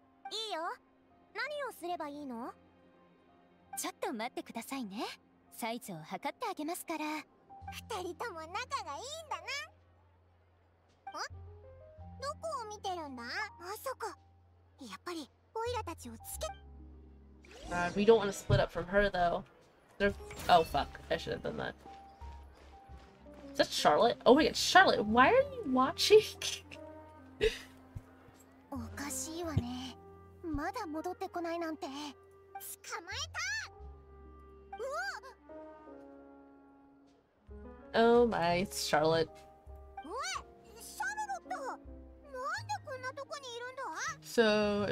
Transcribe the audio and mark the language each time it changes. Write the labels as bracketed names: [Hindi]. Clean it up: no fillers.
[Japanese] いいよ。何をすればいいの？ちょっと待ってくださいね。サイズを測ってあげますから。二人とも仲がいいんだな。あ、どこを見てるんだ？あそこ。やっぱりオイラたちをつけ。 [English] We don't want to split up from her though. Oh fuck, I should have done that. Is that Charlotte? Oh my god, Charlotte, why are you watching? [Japanese] おかしいわね。まだ戻ってこないなんて。捕まえた。うお。 [English] Oh my, it's Charlotte. [Japanese] おい、シャルロット。なんでこんなとこにいるんだ？